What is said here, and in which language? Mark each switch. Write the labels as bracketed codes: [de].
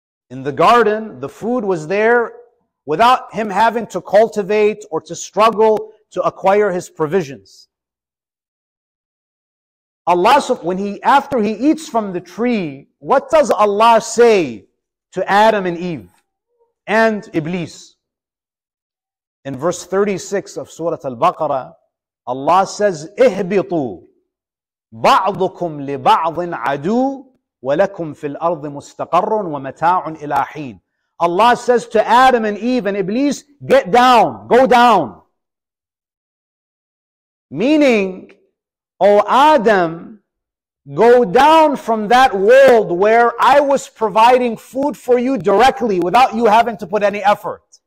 [en] In the garden, the food was there without him having to cultivate or to struggle to acquire his provisions. Allah, when after he eats from the tree, what does Allah say to Adam and Eve and Iblis? In verse 36 of Surah Al-Baqarah, Allah says, [ar] اِهْبِطُوا بَعْضُكُمْ لِبَعْضٍ عَدُوٌ وَلَكُمْ فِي الْأَرْضِ مُسْتَقَرٌ وَمَتَاعٌ إِلَىٰ حِينٍ. [en] Allah says to Adam and Eve and Iblis, get down, go down. Meaning, O Adam, go down from that world where I was providing food for you directly without you having to put any effort.